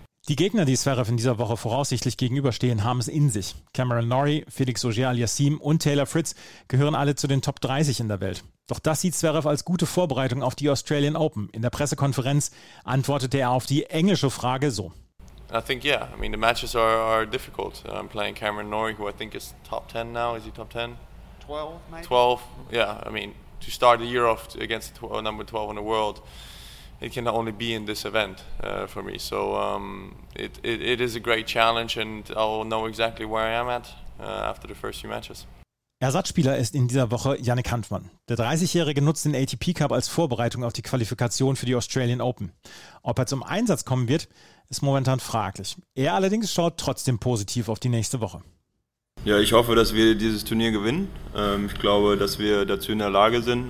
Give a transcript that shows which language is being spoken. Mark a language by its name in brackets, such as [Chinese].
[German] Die Gegner, die Zverev in dieser Woche voraussichtlich gegenüberstehen, haben es in sich. Cameron Norrie, Felix Auger-Aliassime und Taylor Fritz gehören alle zu den Top 30 in der Welt. Doch das sieht Zverev als gute Vorbereitung auf die Australian Open. In der Pressekonferenz antwortete er auf die englische Frage so. [English] I think, yeah, I mean, the matches are difficult. I'm playing Cameron Norrie, who I think is top 10 now. Is he top 10? 12, maybe. 12, yeah. I mean, to start the year off against number 12 in the world, it can only be in this event for me. So it is a great challenge, and I'll know exactly where I am at after the first few matches. [German] Ersatzspieler ist in dieser Woche Jannik Hanfmann. Der 30-Jährige nutzt den ATP Cup als Vorbereitung auf die Qualifikation für die Australian Open. Ob er zum Einsatz kommen wird, ist momentan fraglich. Er allerdings schaut trotzdem positiv auf die nächste Woche. Ja, ich hoffe, dass wir dieses Turnier gewinnen. Ich glaube, dass wir dazu in der Lage sind.